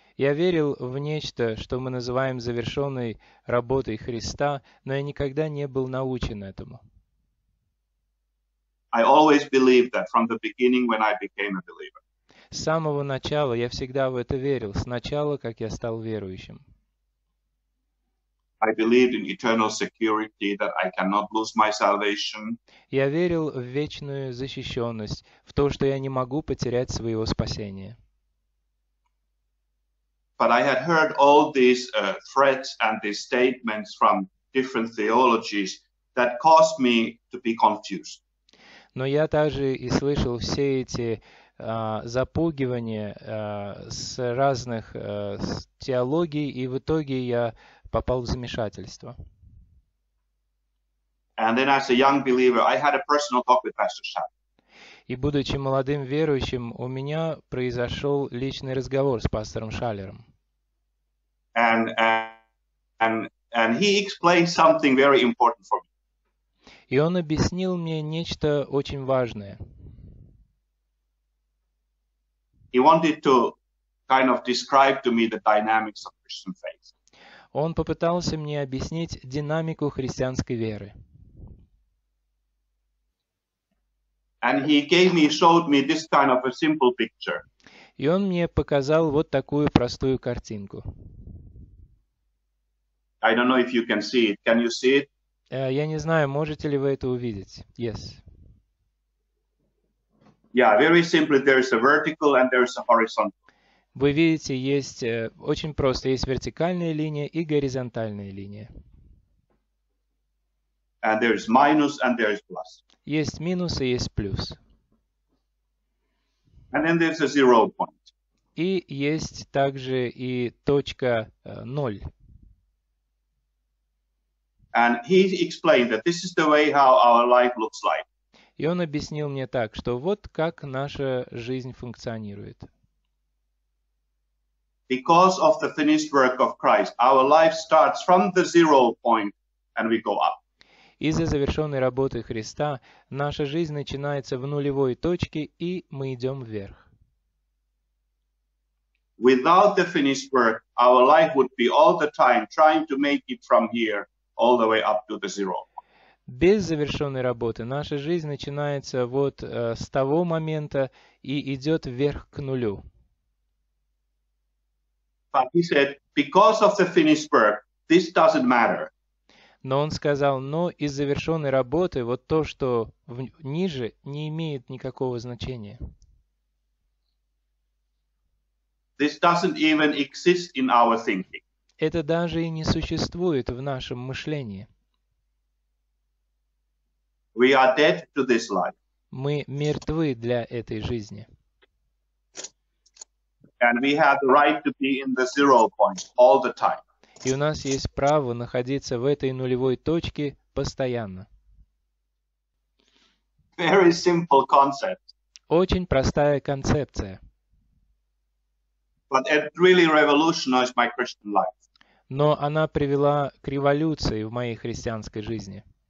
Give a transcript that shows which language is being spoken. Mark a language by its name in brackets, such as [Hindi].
[Russian] Я верил в нечто, что мы называем завершенной работой Христа, но я никогда не был научен этому. [English] I always believed that from the beginning when I became a believer. [Russian] С самого начала я всегда в это верил, с начала, как я стал верующим. [English] I believed in eternal security, that I cannot lose my salvation. [Russian] Я верил в вечную защищенность, в то, что я не могу потерять своего спасения. [English] But I had heard all these threats and these statements from different theologies that caused me to be confused. [Russian] Но я также и слышал все эти запугивания с разных теологий, и в итоге я попал в замешательство. [English] And then as a young believer, I had a personal talk with Pastor Chad. [Russian] И будучи молодым верующим, у меня произошел личный разговор с пастором Шалером. [English] And he explained something very important for me. [Russian] И он объяснил мне нечто очень важное. [English] He wanted to kind of describe to me the dynamics of Christian faith. [Russian] Он попытался мне объяснить динамику христианской веры. [English] And he gave me, showed me this kind of a simple picture. [Russian] И он мне показал вот такую простую картинку. [English] I don't know if you can see it. Can you see it? [Russian] Я не знаю, можете ли вы это увидеть. [English] Yes. Yeah, very simply, there is a vertical and there is a horizontal. [Russian] Вы видите, есть очень просто, есть вертикальная линия и горизонтальная линия. [English] And there is minus and there is plus. [Russian] Есть минус и есть плюс. [English] And then there's a zero point. [Russian] И есть также и точка ноль. [English] And he explained that this is the way how our life looks like. [Russian] И он объяснил мне так, что вот как наша жизнь функционирует. [English] Because of the finished work of Christ, our life starts from the zero point and we go up. [Russian] Из-за завершенной работы Христа наша жизнь начинается в нулевой точке, и мы идем вверх. [English] Without the finished work, our life would be all the time trying to make it from here all the way up to the zero. [Russian] Без завершенной работы наша жизнь начинается вот с того момента и идет вверх к нулю. [English] But he said, because of the finished work, this doesn't matter. [Russian] Но он сказал, но из завершенной работы вот то, что ниже, не имеет никакого значения. [English] This doesn't even exist in our thinking. [Russian] Это даже и не существует в нашем мышлении. [English] We are dead to this life. [Russian] Мы мертвы для этой жизни. [English] And we have the right to be in the zero point all the time. [Russian] И у нас есть право находиться в этой нулевой точке постоянно. [English] Very simple concept. [Russian] Очень простая концепция. [English] But it really revolutionized my Christian life. [Russian] Но она привела к революции в моей христианской жизни.